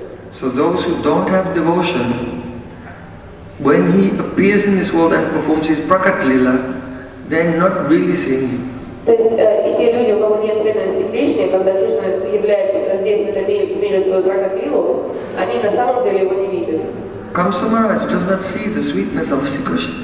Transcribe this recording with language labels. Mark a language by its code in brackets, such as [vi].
[en] So those who don't have devotion, when he appears in this world and performs his prakat lila, they're not really seeing him. [ru] То есть эти люди, у кого нет преданности Кришне, когда Кришна является здесь в этом мире свою прокат лилу, они на самом деле его не видят. [en] Kamsa Maharaj does not see the sweetness of Sri Krishna.